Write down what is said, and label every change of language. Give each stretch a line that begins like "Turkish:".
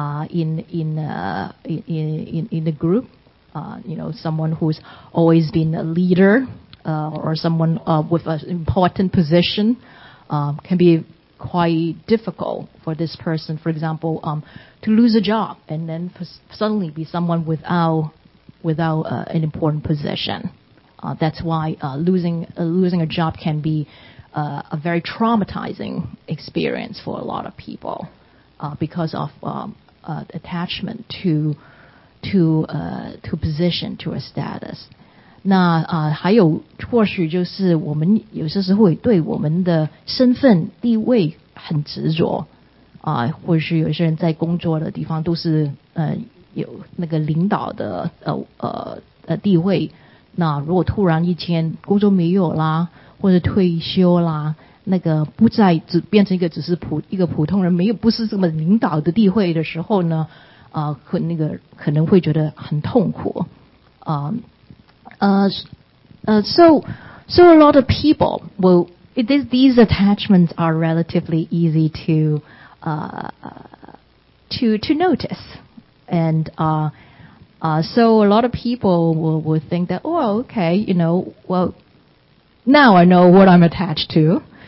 English: in the group, you know, someone who's always been a leader, or someone, with an important position,can be quite difficult for this person, for example, to lose a job and then suddenly be someone without an important position. That's why losing a job can be a very traumatizing experience for a lot of people because of attachment to position, to a status.
Chinese: 那还有或许就是我们有些时候会对我们的身份地位很执着啊，或许有些人在工作的地方都是有那个领导的地位，那如果突然一天工作没有啦，或者退休啦，那个不再只变成一个只是普通人，没有不是这么领导的地位的时候呢，可能会觉得很痛苦啊。
English: So a lot of people will, these attachments are relatively easy to notice. And, so a lot of people will think that, oh, okay, you know, well, now I know what I'm attached to.